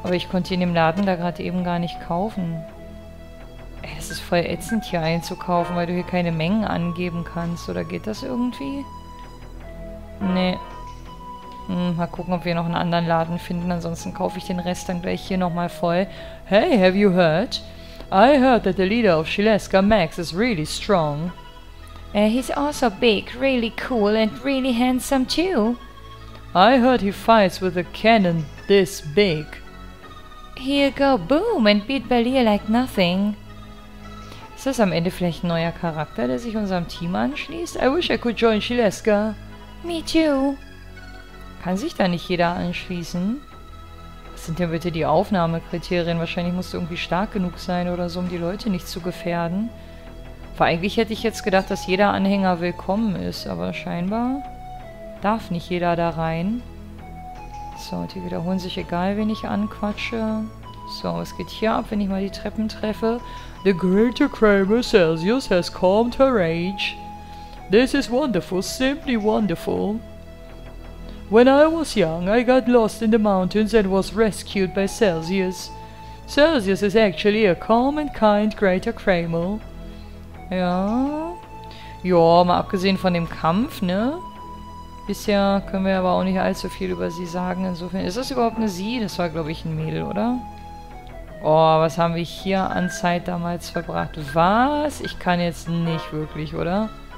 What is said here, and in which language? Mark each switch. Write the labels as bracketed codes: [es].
[de] Aber ich konnte in dem Laden da gerade eben gar nicht kaufen. Es ist voll ätzend, hier einzukaufen, weil du hier keine Mengen angeben kannst. Oder geht das irgendwie? Nee. Mal gucken, ob wir noch einen anderen Laden finden. Ansonsten kaufe ich den Rest dann gleich hier nochmal voll. [en] Hey, have you heard? I heard that the leader of Shileska, Max, is really strong. He's also big, really cool and really handsome too. I heard he fights with a cannon this big. He'll go boom and beat Balir like nothing. [de] Ist das am Ende vielleicht ein neuer Charakter, der sich unserem Team anschließt? [en] I wish I could join Shileska. Me too. [de] Kann sich da nicht jeder anschließen? Was sind denn bitte die Aufnahmekriterien? Wahrscheinlich musst du irgendwie stark genug sein oder so, um die Leute nicht zu gefährden. Weil eigentlich hätte ich jetzt gedacht, dass jeder Anhänger willkommen ist, aber scheinbar darf nicht jeder da rein. So, die wiederholen sich, egal wen ich anquatsche. So, was geht hier ab, wenn ich mal die Treppen treffe? [en] The greater Kramer Celsius has calmed her rage. This is wonderful, simply wonderful. When I was young, I got lost in the mountains and was rescued by Celsius. Celsius is actually a calm and kind Greater Kramel. [de] Ja. Ja, mal abgesehen von dem Kampf, ne? Bisher können wir aber auch nicht allzu viel über sie sagen. Insofern, ist das überhaupt eine Sie? Das war, glaube ich, ein Mädel, oder? Oh, was haben wir hier an Zeit damals verbracht? Was? Ich kann jetzt nicht wirklich, oder?